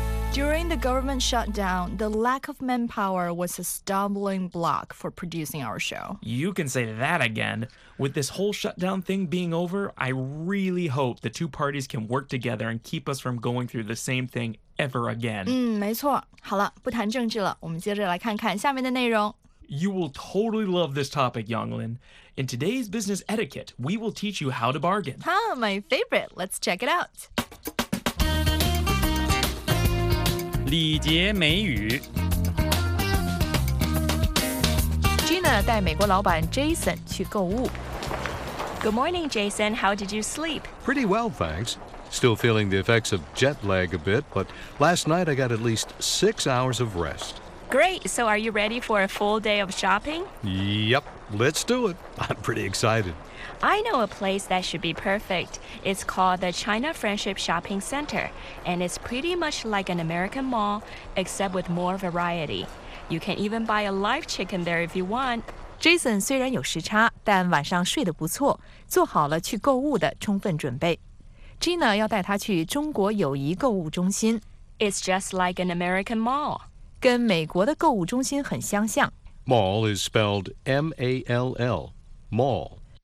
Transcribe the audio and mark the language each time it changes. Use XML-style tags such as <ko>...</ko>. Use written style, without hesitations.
<en>During the government shutdown, the lack of manpower was a stumbling block for producing our show. You can say that again. With this whole shutdown thing being over, I really hope the two parties can work together and keep us from going through the same thing ever again.</en> <zh>没错。好了，不谈政治了，我们接着来看看下面的内容。</zh> <en>You will totally love this topic, Yonglin. In today's business etiquette, we will teach you how to bargain. My favorite. Let's check it out.</en> <zh>礼节美语 Gina 带美国老板 Jason 去购物</zh> <en>Good morning, Jason. How did you sleep? Pretty well, thanks. Still feeling the effects of jet lag a bit, but last night I got at least 6 hours of rest. Great. So are you ready for a full day of shopping? Yep. Let's do it. I'm pretty excited. I know a place that should be perfect. It's called the China Friendship Shopping Center, and it's pretty much like an American mall, except with more variety. You can even buy a live chicken there if you want.</en> <zh>Jason 虽然有时差，但晚上睡得不错，做好了去购物的充分准备。 Gina 要带他去中国友谊购物中心。</zh> <en>It's just like an American mall.</en> <zh>跟美国的购物中心很相像。</zh> <en>Mall is spelled M-A-L-L, mall.</en>